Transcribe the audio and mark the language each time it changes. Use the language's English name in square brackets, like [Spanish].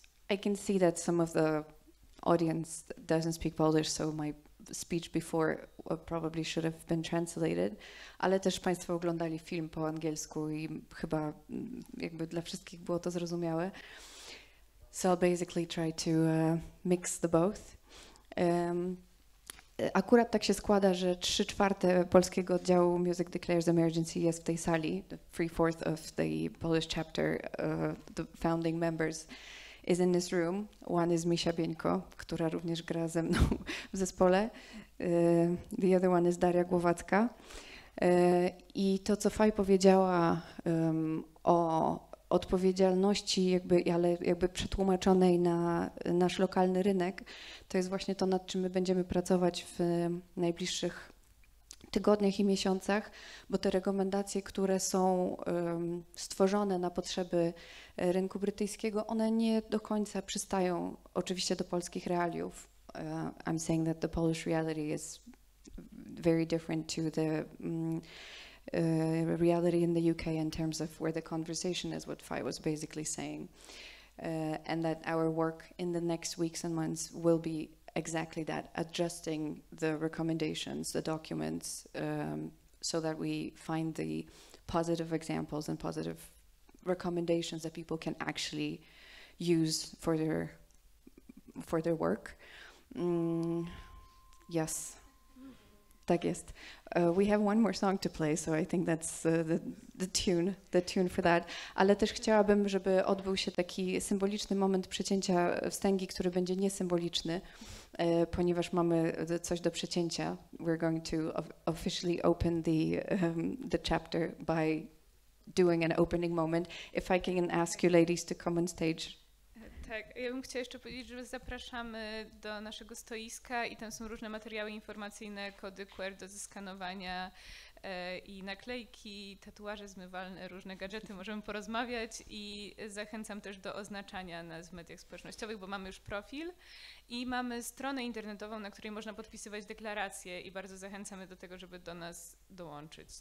[English] I can see that some of the audience doesn't speak Polish, so my speech before probably should have been translated, [Polish] ale też Państwo oglądali film po angielsku i chyba jakby dla wszystkich było to zrozumiałe. [English] So I'll basically try to mix the both. [Polish] Akurat tak się składa, że 3/4 polskiego oddziału Music Declares Emergency jest w tej sali. [English] 3/4 of the Polish chapter, the founding members, is in this room. One is [Polish] Misia Bieńko, która również gra ze mną w zespole. [English] The other one is [Polish] Daria Głowacka. I to, co Faj powiedziała o odpowiedzialności, jakby przetłumaczonej na nasz lokalny rynek, to jest właśnie to, nad czym my będziemy pracować w najbliższych tygodniach i miesiącach, bo te rekomendacje, które są stworzone na potrzeby rynku brytyjskiego, one nie do końca przystają oczywiście do polskich realiów. [English] I'm saying that the Polish reality is very different to the reality in the UK in terms of where the conversation is, what Fai was basically saying. And that our work in the next weeks and months will be exactly that, adjusting the recommendations, the documents, so that we find the positive examples and positive recommendations that people can actually use for their work. Yes, [Polish] tak jest. [English] We have one more song to play, so I think that's the tune for that. [Polish] Ale też chciałabym, żeby odbył się taki symboliczny moment przecięcia wstęgi, który będzie niesymboliczny, ponieważ mamy coś do przecięcia. [English] We're going to officially open the chapter by doing an opening moment. If I can ask you ladies to come on stage. [Polish] Tak, ja bym chciała jeszcze powiedzieć, że zapraszamy do naszego stoiska i tam są różne materiały informacyjne, kody QR do zeskanowania i naklejki, tatuaże zmywalne, różne gadżety, możemy porozmawiać i zachęcam też do oznaczania nas w mediach społecznościowych, bo mamy już profil i mamy stronę internetową, na której można podpisywać deklaracje i bardzo zachęcamy do tego, żeby do nas dołączyć.